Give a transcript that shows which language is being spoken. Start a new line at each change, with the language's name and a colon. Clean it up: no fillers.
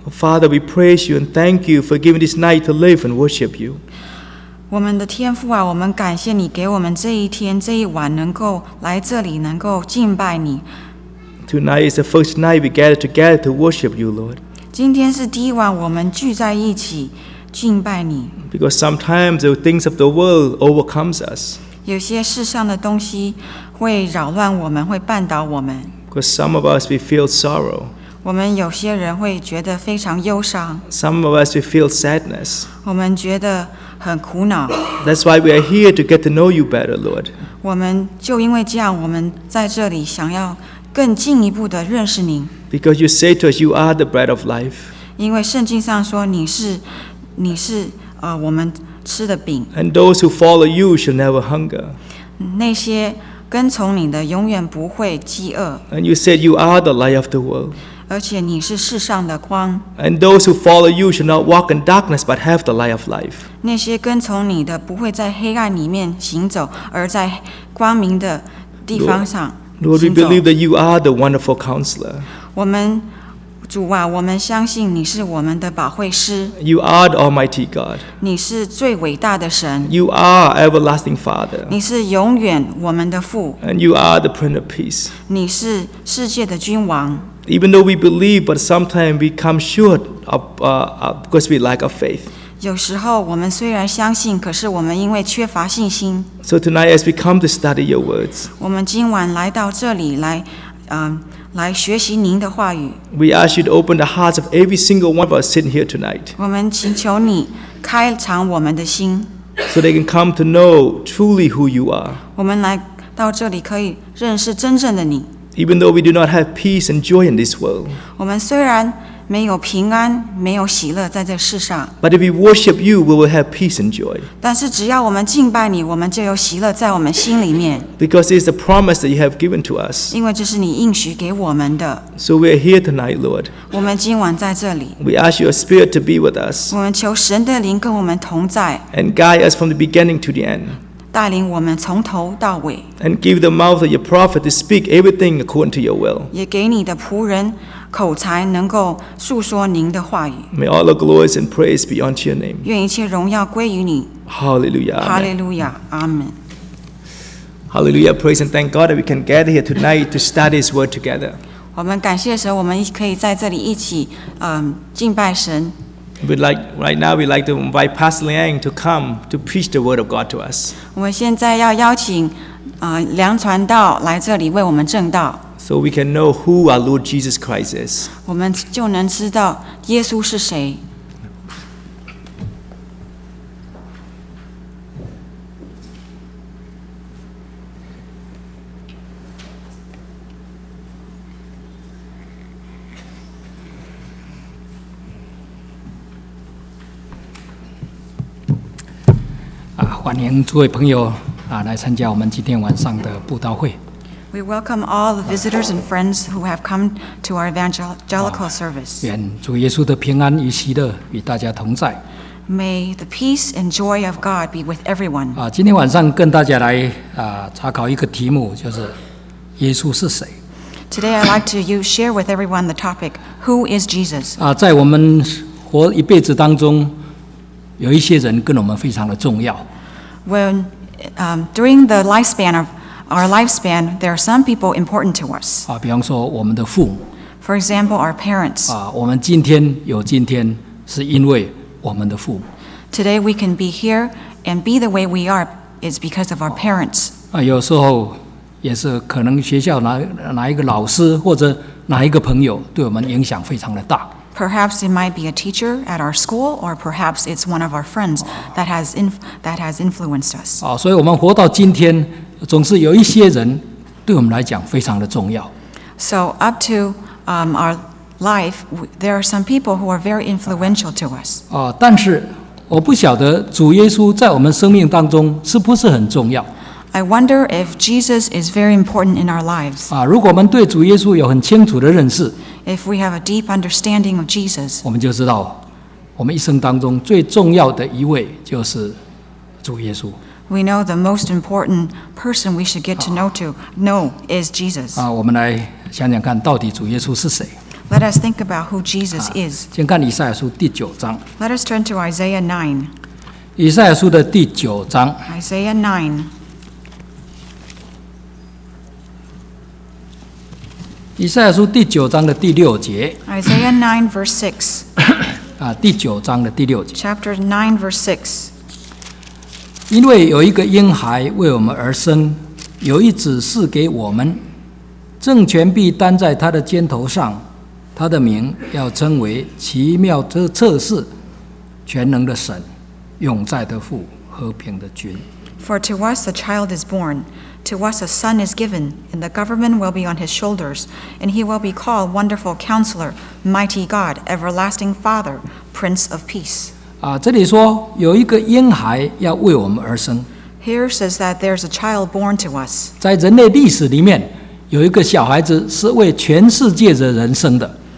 English: Father, we praise you and thank you for giving this night to live and worship you.
Chinese: 我们的天父啊，我们感谢你给我们这一天这一晚能够来这里，能够敬拜你。
English: Tonight is the first night we gather together to worship you, Lord.
Chinese: 今天是第一晚我们聚在一起敬拜你。
English: Because sometimes the things of the world overcomes us.
Chinese: 有些世上的东西会扰乱我们，会绊倒我们。
English: Because some of us, we feel sorrow.
Chinese: 我们有些人会觉得非常忧伤。
English: Some of us, we feel sadness.
Chinese: 我们觉得很苦恼。
English: That's why we are here to get to know you better, Lord.
Chinese: 我们就因为这样，我们在这里想要更进一步的认识您。
English: Because you say to us, you are the bread of life.
Chinese: 因为圣经上说你是我们吃的饼。
English: And those who follow you shall never hunger.
Chinese: 那些跟从你的永远不会饥饿。
English: And you said you are the light of the world.
Chinese: 而且你是世上的光。
English: And those who follow you should not walk in darkness but have the light of life.
Chinese: 那些跟从你的不会在黑暗里面行走，而在光明的地方上行走。
English: Lord, we believe that you are the wonderful counselor.
Chinese: 我们主啊，我们相信你是我们的保惠师。
English: You are the Almighty God.
Chinese: 你是最伟大的神。
English: You are everlasting Father.
Chinese: 你是永远我们的父。
English: And you are the Prince of Peace.
Chinese: 你是世界的君王。
English: Even though we believe, but sometimes we come short of, because we lack of faith.
Chinese: 有时候我们虽然相信，可是我们因为缺乏信心。
English: So tonight, as we come to study your words,
Chinese: 我们今晚来到这里来，来学习您的话语。
English: We ask you to open the hearts of every single one of us sitting here tonight.
Chinese: 我们请求你开敞我们的心。
English: So they can come to know truly who you are.
Chinese: 我们来到这里可以认识真正的你。
English: Even though we do not have peace and joy in this world.
Chinese: 我们虽然没有平安，没有喜乐在这世上。
English: But if we worship you, we will have peace and joy.
Chinese: 但是只要我们敬拜你，我们就有喜乐在我们心里面。
English: Because it is the promise that you have given to us.
Chinese: 因为这是你应许给我们的。
English: So we are here tonight, Lord.
Chinese: 我们今晚在这里。
English: We ask your spirit to be with us.
Chinese: 我们求神的灵跟我们同在。
English: And guide us from the beginning to the end.
Chinese: 带领我们从头到尾。
English: And give the mouth of your prophet to speak everything according to your will.
Chinese: 也给你的仆人口才能够述说您的话语。
English: May all the glories and praise be unto your name.
Chinese: 愿一切荣耀归于你。
English: Hallelujah. Hallelujah. Amen. Hallelujah. Praise and thank God that we can gather here tonight to study His word together.
Chinese: 我们感谢神，我们可以在这里一起，敬拜神。
English: We'd like right now. We'd like to invite Pastor Liang to come to preach the word of God to us.
Chinese: 我们现在要邀请，梁传道来这里为我们证道。
English: So we can know who our Lord Jesus Christ is.
Chinese: 我们就能知道耶稣是谁。欢迎诸位朋友来参加我们今天晚上的布道会。
English: We welcome all the visitors and friends who have come to our evangelical service.
Chinese: 愿主耶稣的平安与喜乐与大家同在。
English: May the peace and joy of God be with everyone.
Chinese: 今天晚上跟大家来查考一个题目，就是耶稣是谁。
English: Today I'd like to share with everyone the topic, who is Jesus?
Chinese: 在我们活一辈子当中，有一些人跟我们非常的重要。
English: When, during the lifespan of our lifespan, there are some people important to us.
Chinese: 比方说我们的父母。
English: For example, our parents.
Chinese: 我们今天有今天，是因为我们的父母。
English: Today we can be here and be the way we are is because of our parents.
Chinese: 有时候也是可能学校 哪一个老师或者哪一个朋友对我们影响非常的大。
English: Perhaps it might be a teacher at our school, or perhaps it's one of our friends that has influenced us.
Chinese: 所以我们活到今天，总是有一些人对我们来讲非常的重要。
English: So up to our life, there are some people who are very influential to us.
Chinese: 但是我不晓得主耶稣在我们生命当中是不是很重要。
English: I wonder if Jesus is very important in our lives.
Chinese: 如果我们对主耶稣有很清楚的认识，
English: If we have a deep understanding of Jesus,
Chinese: 我们就知道我们一生当中最重要的一位就是主耶稣。
English: We know the most important person we should get to know is Jesus.
Chinese: 我们来想想看到底主耶稣是谁。
English: Let us think about who Jesus is.
Chinese: 先看以赛亚书第九章。
English: Let us turn to Isaiah 9.
Chinese: 以赛亚书的第九章。
English: Isaiah 9.
Chinese: 以赛亚书第九章的第六节。
English: Isaiah 9 verse 6.
Chinese: 第九章的第六节。
English: Chapter 9 verse 6.
Chinese: 因为有一个婴孩为我们而生，有一子赐给我们，政权必担在他的肩头上，他的名要称为奇妙的策士，全能的神，永在的父，和平的君。
English: For to us a child is born, to us a son is given, and the government will be on his shoulders, and he will be called Wonderful Counselor, Mighty God, Everlasting Father, Prince of Peace.
Chinese: 这里说有一个婴孩要为我们而生。
English: Here says that there's a child born to us.
Chinese: 在人类历史里面，有一个小孩子是为全世界的人生的。